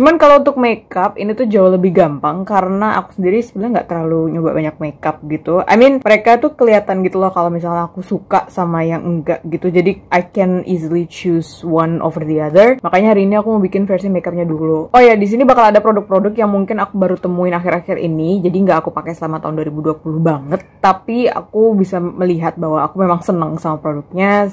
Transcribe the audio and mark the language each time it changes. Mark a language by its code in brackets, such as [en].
[id] Cuman kalau untuk makeup, ini tuh jauh lebih gampang karena aku sendiri sebenarnya gak terlalu nyoba banyak makeup gitu. [en] I mean, [id] mereka tuh kelihatan gitu loh kalau misalnya aku suka sama yang enggak gitu. [en] Jadi I can easily choose one over the other. [id] Makanya hari ini aku mau bikin versi makeupnya dulu. Oh ya, di sini bakal ada produk-produk yang mungkin aku baru temuin akhir-akhir ini. Jadi gak aku pakai selama tahun 2020 banget. Tapi aku bisa melihat bahwa aku memang seneng sama produknya.